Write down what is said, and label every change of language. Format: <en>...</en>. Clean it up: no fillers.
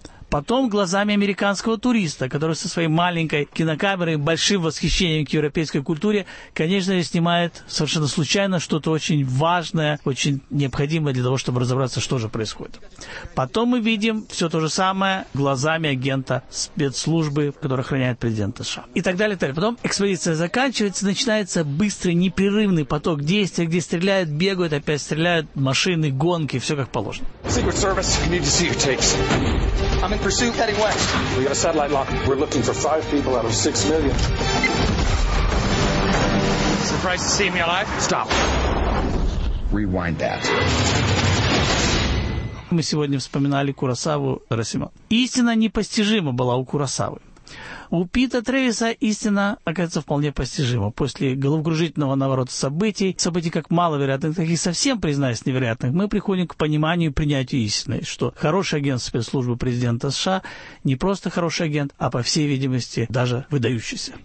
<ru>Потом глазами американского туриста, который со своей маленькой кинокамерой и большим восхищением к европейской культуре, конечно же, снимает совершенно случайно что-то очень важное, очень необходимое для того, чтобы разобраться, что же происходит. Потом мы видим все то же самое глазами агента спецслужбы, который охраняет президента США. И так далее, и так далее. Потом экспозиция заканчивается, начинается быстрый, непрерывный поток действий, где стреляют, бегают, опять стреляют, машины, гонки, все как положено.</ru> <en>Secret Service, we need to see your tapes. I'm in pursuit, heading west. We got a satellite lock. We're looking for 5 people out of 6 million. Surprised to see me alive? Stop. Rewind that.</en> <ru>Мы сегодня вспоминали Куросаву Расимон. Истина непостижима была у Куросавы. У Пита Трэвиса истина оказывается вполне постижима. После головокружительного наворота событий, событий как маловероятных, так и совсем, признаюсь, невероятных, мы приходим к пониманию и принятию истины, что хороший агент спецслужбы президента США не просто хороший агент, а, по всей видимости, даже выдающийся.</ru>